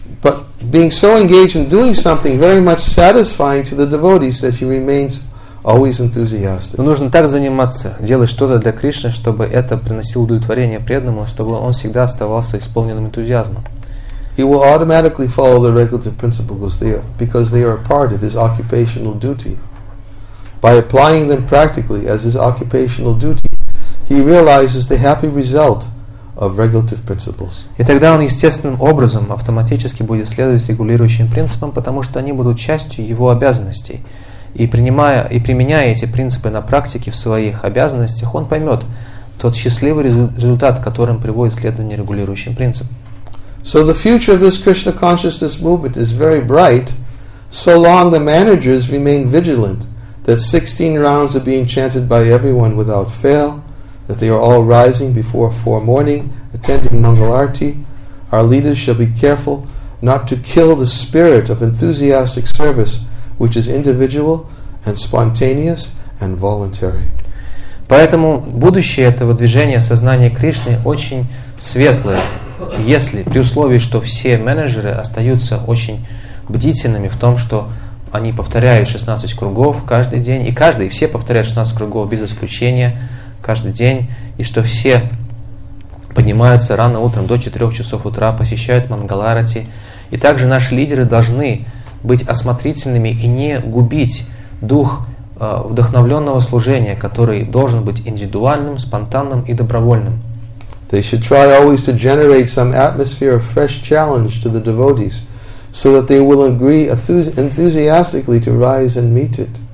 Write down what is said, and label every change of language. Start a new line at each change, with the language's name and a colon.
English: But being so engaged in doing something very much satisfying to the devotees that he remains always enthusiastic.
Russian: Но нужно так заниматься, делать что-то для Кришны, чтобы это приносило удовлетворение преданному, чтобы он всегда оставался исполненным энтузиазмом.
English: He will automatically follow the regulative principles there because they are a part of his occupational duty. By applying them practically as his occupational duty, he realizes the happy result of regulative principles.
Russian: И тогда он естественным образом автоматически будет следовать регулирующим принципам, потому что они будут частью его обязанностей. И принимая и применяя эти принципы на практике в своих обязанностях, он поймет тот счастливый результат, которым приводит следование регулирующим принципам.
English: So the future of this Krishna consciousness movement is very bright, so long the managers remain vigilant. That 16 rounds are being chanted by everyone without fail, that they are all rising before 4 morning, attending Mangal Arati. Our leaders shall be careful not to kill the spirit of enthusiastic service, which is individual and spontaneous and voluntary.
Russian: Поэтому будущее этого движения сознания Кришны очень светлое, если при условии, что все менеджеры остаются очень бдительными в том, что они повторяют 16 кругов каждый день, и каждый, все повторяют 16 кругов без исключения каждый день, и что все поднимаются рано утром до 4 часов утра, посещают Мангаларати. И также наши лидеры должны быть осмотрительными и не губить дух вдохновленного служения, который должен быть индивидуальным, спонтанным и добровольным.
English: They should try always to generate some atmosphere of fresh challenge to the devotees, so that they will agree enthusiastically to rise and meet it.